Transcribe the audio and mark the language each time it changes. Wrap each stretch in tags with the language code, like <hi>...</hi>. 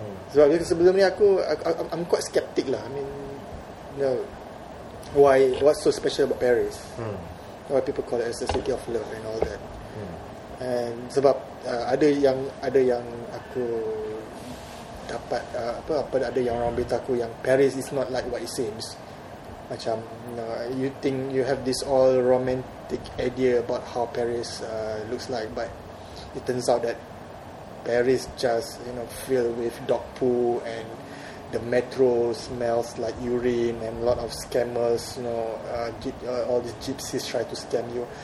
<ms>Sebab sebelum ni</ms> <en>I'm quite skeptic lah. I mean, you know, why, what's so special about Paris? what people call it as the city of love and all that.</en> <ms>And sebab ada yang aku dapat apa ada yang orang beritahu yang</ms> <en>Paris is not like what it seems. Macam you think you have this all romantic idea about how Paris looks like, but it turns out that Paris just, you know, filled with dog poo, and the metro smells like urine, and a lot of scammers, you know, all these gypsies try to scam you.</en>